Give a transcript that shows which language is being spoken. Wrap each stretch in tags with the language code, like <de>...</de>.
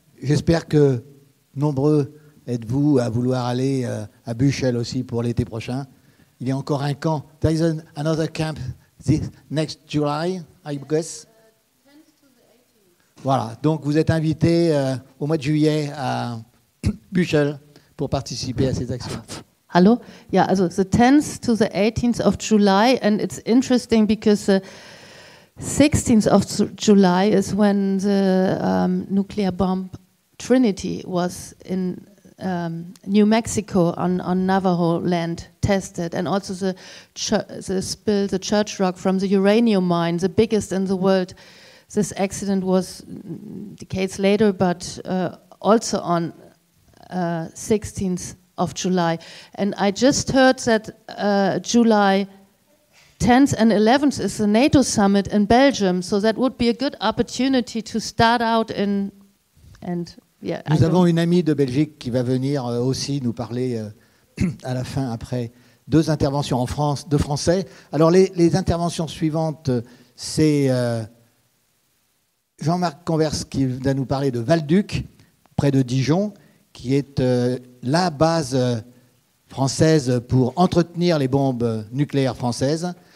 <fr>J'espère que nombreux êtes-vous à vouloir aller à Büchel aussi pour l'été prochain? Il y a encore un camp.</fr> <en>There is another camp this next July, I guess. 10th to the 18th. Voilà.</en> <fr>Donc vous êtes invités au mois de juillet à Büchel pour participer à ces actions.</fr> <en>Hello. Yeah. So the 10th to the 18th of July, and it's interesting because the 16th of July is when the nuclear bomb Trinity was in New Mexico on Navajo land tested, and also the church rock from the uranium mine, the biggest in the world. This accident was decades later, but also on 16th of July. And I just heard that July 10th and 11th is the NATO summit in Belgium, so that would be a good opportunity to start out in... And yeah,</en> <fr>nous avons une amie de Belgique qui va venir aussi nous parler à la fin, après deux interventions en France, de français. Alors les interventions suivantes, c'est Jean-Marc Converse qui va nous parler de Valduc, près de Dijon, qui est la base française pour entretenir les bombes nucléaires françaises.</fr>